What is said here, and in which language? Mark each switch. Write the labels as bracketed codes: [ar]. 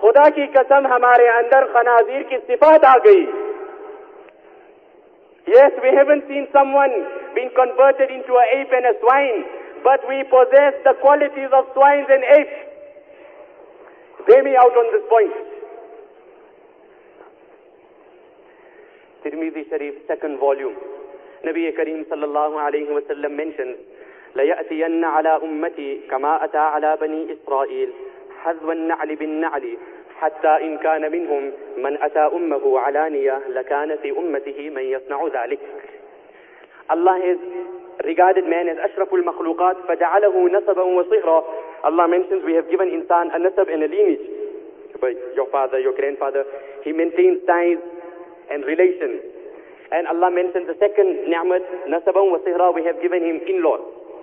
[ur] خدا کی قسم ہمارے اندر خنازیر کی صفات آ گئی. [en] Yes, we haven't seen someone being converted into an ape and a swine, but we possess the qualities of swines and apes. Hear me out on this point. Tirmidhi Sharif, second volume. Nabi Kareem sallallahu alayhi wa sallam mentions, [ar] لَيَأْتِيَنَّ عَلَىٰ أُمَّتِي كَمَا أَتَىٰ عَلَىٰ بَنِي إِسْرَائِيلِ حَذْوَ النَّعْلِ بِالنَّعْلِ حتى إن كان منهم من أتى أمه علانية لكان في أمته من يصنع ذلك. [en] Allah has regarded man as [ar] أشرف المخلوقات فجعله نسبا وصهرا. [en] Allah mentions we have given insan a nasab and a lineage. But your father, your grandfather, he maintains ties and relations. And Allah mentions the second ni'mat, [ar] نسبا وصهرا, [en] we have given him in-laws.